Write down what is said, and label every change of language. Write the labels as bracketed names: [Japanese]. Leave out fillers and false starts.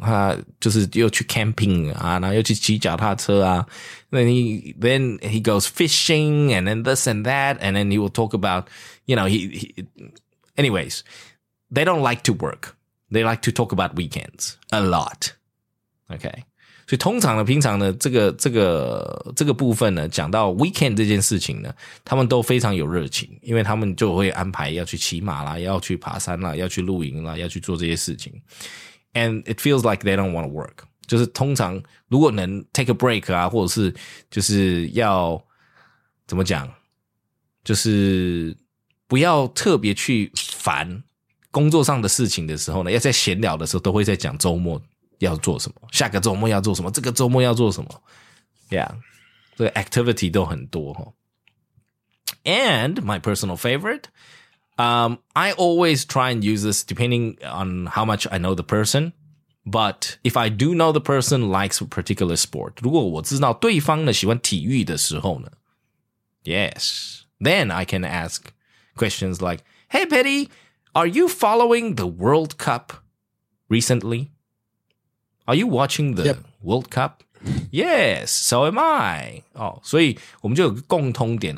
[Chinese] 他就是又去 camping 啊然后又去骑脚踏车啊。 [English] Then he goes fishing and then this and that, and then he will talk about, you know, anyways, they don't like to work. They like to talk about weekends a lot. Okay. [Chinese] 所以通常呢平常呢这个部分呢讲到 weekend 这件事情呢他们都非常有热情，因为他们就会安排要去骑马啦，要去爬山啦，要去露营啦，要去做这些事情。 [English] And it feels like they don't want to work. [Chinese] 就是通常如果能 [English] take a break [Chinese] 啊，或者是就是要怎么讲，就是不要特别去烦工作上的事情的时候呢，要在闲聊的时候都会在讲周末要做什么，下个周末要做什么，这个周末要做什么。 Yeah, 这个 activity 都很多、哦。 [English] And my personal favorite, I always try and use this depending on how much I know the person. But if I do know the person likes a particular sport, [Chinese] 如果我知道对方呢喜欢体育的时候呢 [English] ,Yes, then I can ask questions like, Hey, Petty, are you following the World Cup recently? Are you watching the、yep. World Cup? Yes, so am I. [Chinese] Oh, 所以我们就有共通点。